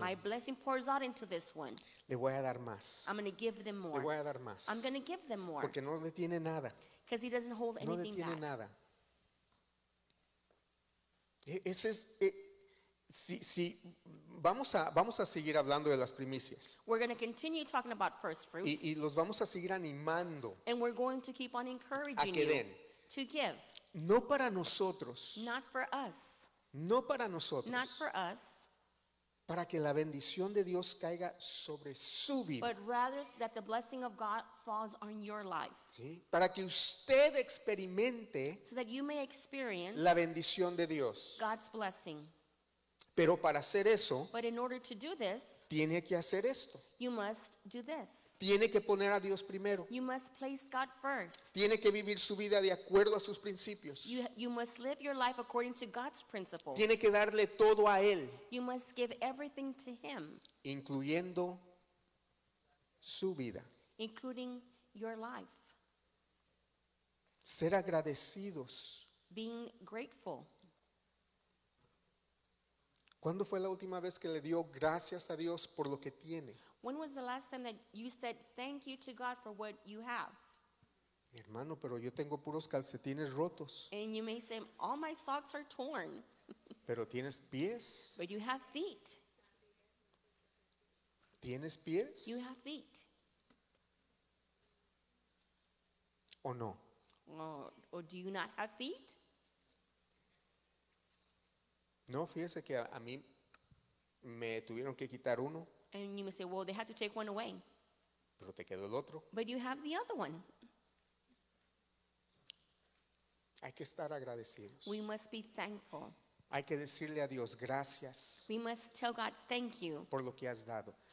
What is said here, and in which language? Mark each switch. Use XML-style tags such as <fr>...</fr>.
<en>My blessing pours out into this one.</en> <es>Le voy a dar más.</es> <en>I'm going to give them more.</en> <es>Le voy a dar más.</es> <en>I'm going to give them more.</en> <es>Porque no detiene nada.</es> <en>Because he doesn't hold no anything back.</en> <es>No detiene nada. Ese es si vamos a seguir hablando de las primicias.</es> <en>We're going to continue talking about first fruits.</en> <es>Y los vamos a seguir animando.</es> <en>And we're going to keep on encouraging</en> <es>a que den.</es> <en>You to give.</en> <es>No para nosotros.</es> <en>Not for us.</en> <es>No para nosotros.</es> <en>Not for us.</en> <es>Para que la bendición de Dios caiga sobre su vida.</es> <en>But rather that the blessing of God falls on your life.</en> <es>¿Sí? Para que usted experimente</es> <en>so that you may experience</en> <es>la bendición de Dios.</es> <en>God's blessing.</en> <es>Pero para hacer eso,</es> <en>but in order to do this,</en> <es>tiene que hacer esto.</es> <en>You must do this.</en> <es>Tiene que poner a Dios primero.</es> <en>You must place God first.</en> <es>Tiene que vivir su vida de acuerdo a sus principios.</es> <en>You must live your life according to God's principles.</en> <es>Tiene que darle todo a él.</es> <en>You must give everything to him.</en> <es>Incluyendo su vida.</es> <en>Including your life.</en> <es>Ser agradecidos.</es> <en>Being grateful.</en> <es>¿Cuándo fue la última vez que le dio gracias a Dios por lo que tiene?</es> <en>When was the last time that you said thank you to God for what you have?</en> <es>Hermano, pero yo tengo puros calcetines rotos.</es> <en>And you may say all my socks are torn.</en> <es>Pero tienes pies.</es> <en>But you have feet.</en> <es>¿Tienes pies?</es> <en>You have feet.</en> <es>¿O no?</es> <en>Or do you not have feet?</en> <es>No, fíjese que a mí me tuvieron que quitar uno.</es> <en>And you may say, well, they had to take one away.</en> <es>Pero te quedó el otro.</es> <en>But you have the other one.</en> <es>Hay que estar agradecidos.</es> <en>We must be thankful.</en> <es>Hay que decirle a Dios gracias.</es> <en>We must tell God thank you.</en> <es>Por lo que has dado.</es>